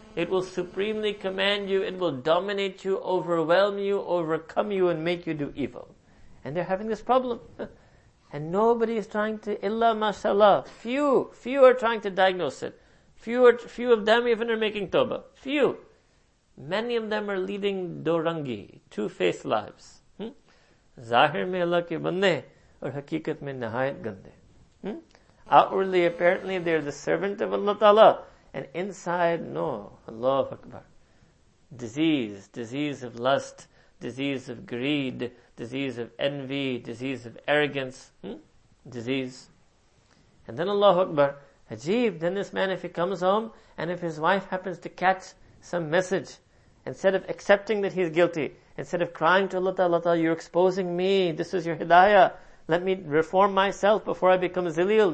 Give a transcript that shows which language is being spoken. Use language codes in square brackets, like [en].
[en] It will supremely command you, it will dominate you, overwhelm you, overcome you, and make you do evil. And they're having this problem. And nobody is trying to, إِلَّا mashallah. Few are trying to diagnose it. Few of them even are making tawbah. Few. Many of them are leading dorangi, two-faced lives. [ur] ظاہر میں اللہ کے بندے، اور حقیقت میں نہایت گندے۔ [en] Outwardly, apparently, they're the servant of Allah Ta'ala. And inside, no. Allahu Akbar. Disease of lust, disease of greed, disease of envy, disease of arrogance. Disease. And then Allahu Akbar, ajeeb, then this man, if he comes home, and if his wife happens to catch some message, instead of accepting that he's guilty, instead of crying to Allah Ta'ala, you're exposing me, this is your hidayah, let me reform myself before I become zilil.